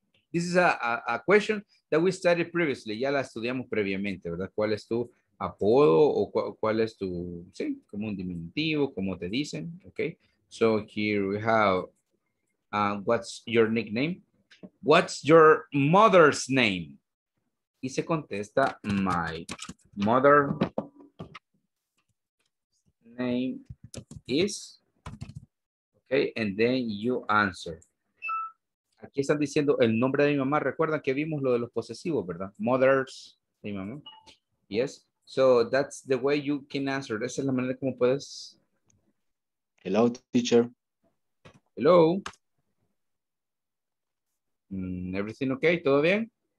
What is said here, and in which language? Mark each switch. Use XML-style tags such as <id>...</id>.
<en>This is a question that we studied previously.</en> <es>Ya la estudiamos previamente, ¿verdad? ¿Cuál es tu apodo o cuál es tu, sí, como un diminutivo, como te dicen?</es> <en>Okay. So here we have, what's your nickname? What's your mother's name?</en> <es>Y se contesta,</es> <en>my mother's name is, okay, and then you answer.</en> <es>Aquí están diciendo el nombre de mi mamá. Recuerdan que vimos lo de los posesivos, ¿verdad? Mothers, mi mamá.</es> <en>Yes, so that's the way you can answer.</en> <es>Esa es la manera como puedes.</es> <en>Hello, teacher. Hello. Everything okay,</en> <es>¿todo bien?</es>